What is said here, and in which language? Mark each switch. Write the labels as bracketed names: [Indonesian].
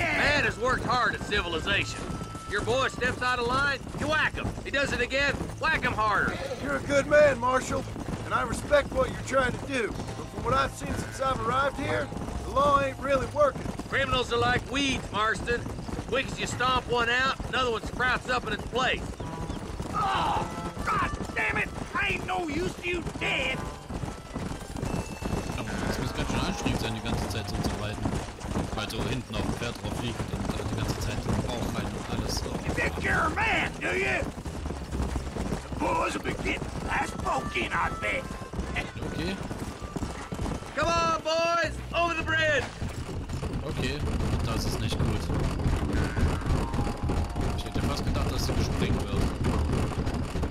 [English] Man has worked hard at civilization. Your boy steps out of line, you whack him. He does it again, whack him harder. You're a good man, Marshal. and I respect what you're trying to do. But from what I've seen since I've arrived here, the law ain't really working. Criminals are like weeds, Marston. As quick as you stomp one out, another one sprouts up in its place. Oh, God damn it! I ain't no use to you dead! [German] Das muss ganz schön anstrengend sein, die ganze Zeit so zu reiten. Weil so hinten auf dem Pferd drauf liegt und die ganze Zeit im Bauch rein und alles so. [English] You take care of man, do you? The boys will be getting last poke in, I bet. Okay. Come on, boys! Over the bridge! [German] Okay, und das ist nicht gut. Ich hätte fast gedacht, dass sie gesprengt wird.